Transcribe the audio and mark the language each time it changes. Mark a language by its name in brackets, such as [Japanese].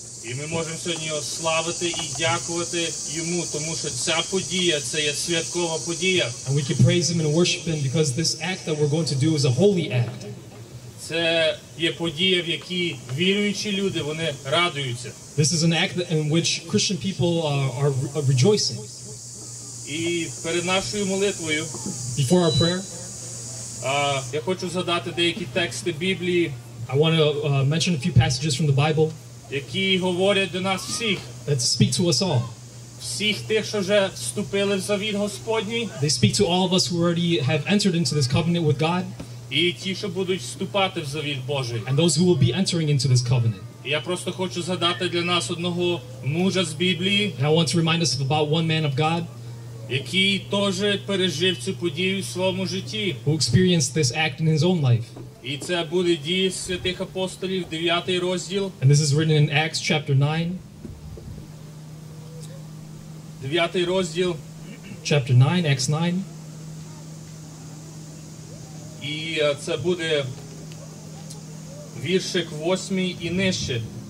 [Ukrainian] І ми можемо сьогодні славити і дякувати йому, тому що ця подія це є святкова подія. [English] And we can praise him and worship him because this act that we're going to do is a holy act. [Ukrainian] Це є подія, в якій віруючі люди, вони радуються. [English] This is an act in which Christian people are rejoicing. [Ukrainian] І перед нашою молитвою, [English] before our prayer, [Ukrainian] Я хочу згадати деякі тексти Біблії. [English] I want to mention a few passages from the Bible. [Ukrainian] Які говорять до нас всіх. [English] That speak to us all. [Ukrainian] Всіх тих, що вже вступили в завіт Господній. [English] They speak to all of us who already have entered into this covenant with God. [Ukrainian] І ті, що будуть вступати в завіт Божий. [English] And those who will be entering into this covenant. [Ukrainian] Я просто хочу згадати для нас одного мужа з Біблії. [English] And I want to remind us about one man of God. [Ukrainian] Який теж пережив цю подію в своєму житті. [English] Who experienced this act in his own life. [Ukrainian] І це буде Дії святих апостолів, 9 розділ. [English] And this is written in Acts chapter 9. [Ukrainian] 9 розділ. [English] Chapter 9, Acts 9. [Ukrainian] І це буде віршик 8 і нижче.